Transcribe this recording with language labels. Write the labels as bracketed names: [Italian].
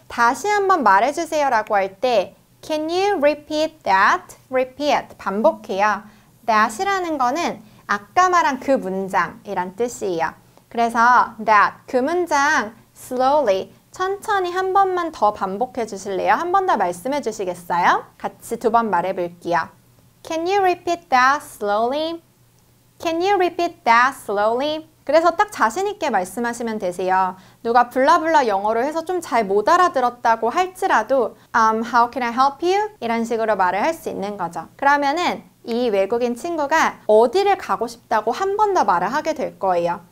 [Korean] 다시 한번 말해 주세요라고 할 때, [English] Can you repeat that? [Korean] Repeat. 반복해요. That이라는 거는 아까 말한 그 문장이란 뜻이에요. 그래서 that, 그 문장, slowly, 천천히 한 번만 더 반복해 주실래요? 한번더 말씀해 주시겠어요? 같이 두번 말해 볼게요. [English] Can you repeat that slowly? Can you repeat that slowly? [Korean] 그래서 딱 자신 있게 말씀하시면 되세요. 누가 블라블라 영어로 해서 좀잘못 알아들었다고 할지라도, [English] How can I help you? [Korean] 이런 식으로 말을 할수 있는 거죠. 그러면은 이 외국인 친구가 어디를 가고 싶다고 한번더 말을 하게 될 거예요.